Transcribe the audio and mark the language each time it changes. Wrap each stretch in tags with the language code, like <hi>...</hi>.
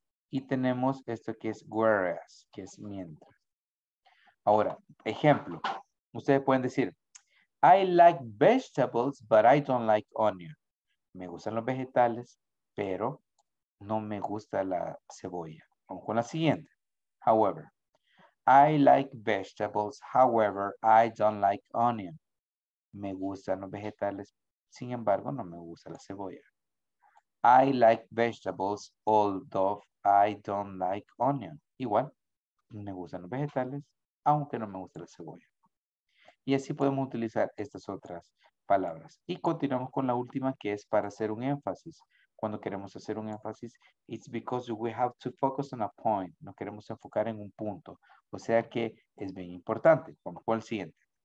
<es>Y tenemos esto que es whereas, que es mientras. Ahora, ejemplo. Ustedes pueden decir,</es> <en>I like vegetables, but I don't like onion.</en> <es>Me gustan los vegetales, pero no me gusta la cebolla. Vamos con la siguiente.</es> <en>However, I like vegetables, however, I don't like onion.</en> <es>Me gustan los vegetales, sin embargo, no me gusta la cebolla.</es> <en>I like vegetables, although I don't like onion.</en> <es>Igual, me gustan los vegetales, aunque no me gusta la cebolla. Y así podemos utilizar estas otras palabras. Y continuamos con la última, que es para hacer un énfasis. Cuando queremos hacer un énfasis,</es> <en>it's because we have to focus on a point.</en> <es>Nos queremos enfocar en un punto. O sea que es bien importante. Vamos con el siguiente.</es>